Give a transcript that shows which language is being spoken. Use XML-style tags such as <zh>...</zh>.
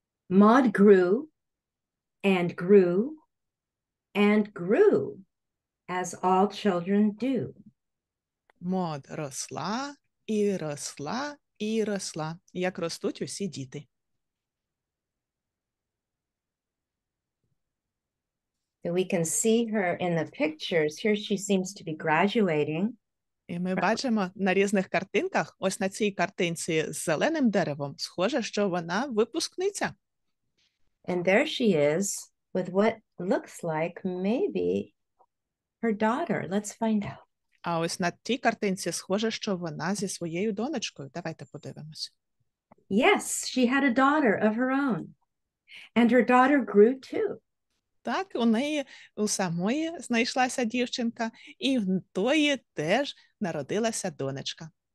<en>Maud grew and grew and grew, as all children do.</en> <uk>Maud росла і росла і росла, як ростуть усі діти.</uk> <en>We can see her in the pictures. Here she seems to be graduating.</en> <uk>І ми бачимо на різних картинках, ось на цій картинці з зеленим деревом, схоже, що вона випускниця.</uk> <en>And there she is with what looks like maybe her daughter. Let's find out.</en> <uk>А ось на тій картинці схоже, що вона зі своєю донечкою. Давайте подивимось.</uk> <en>Yes, she had a daughter of her own. And her daughter grew too.</en> <uk>Так, у неї у самої знайшлася дівчинка, і в тої теж народилася донечка.</uk>